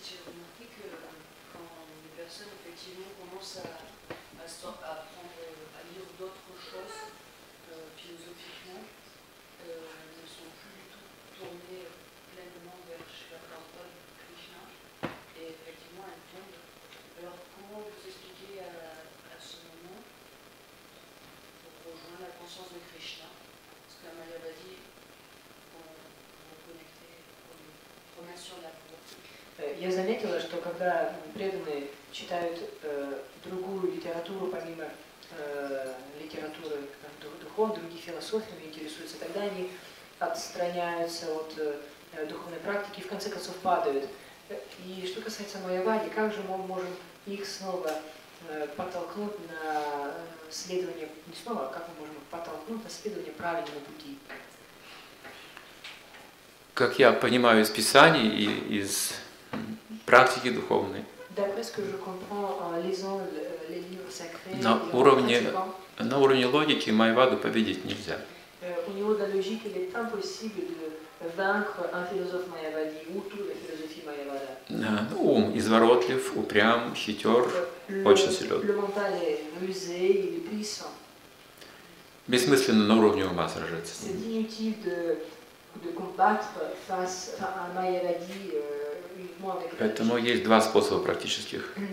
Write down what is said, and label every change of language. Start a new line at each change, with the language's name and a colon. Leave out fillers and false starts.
French: J'ai remarqué que quand les personnes effectivement commencent à apprendre à lire d'autres choses philosophiquement, ne sont plus du tout tournées pleinement vers Shri Prabhupada Krishna, et effectivement elle tombe. Alors comment vous expliquer à ce moment pour rejoindre la conscience de Krishna, parce que la Mayavadi on reconnectait, on remet sur la voie.
Russian: Я заметила, что когда преданные читают другую литературу, помимо литературы духов, других философий, интересуются, тогда они отстраняются от духовной практики и в конце концов падают. И что касается майявади, как же мы можем их снова подтолкнуть на следование, не снова, а как мы можем подтолкнуть на следование правильного пути? Как я понимаю из Писаний и из практики духовные.
French: D'après ce que je comprends en lisant les livres sacrés,
Russian: на уровне логики Майваду победить нельзя. У него для логики
French: il est impossible de vaincre un philosophe Mayavadi ou toute la philosophie Mayavada.
Russian: Ну, ум изворотлив, упрям, хитер, очень силен.
French: Le mental est rusé, il est puissant.
Russian: Бессмысленно на уровне ума сражаться.
French: C'est inutile de combattre face à Mayavadi.
Russian: Поэтому есть два способа практических.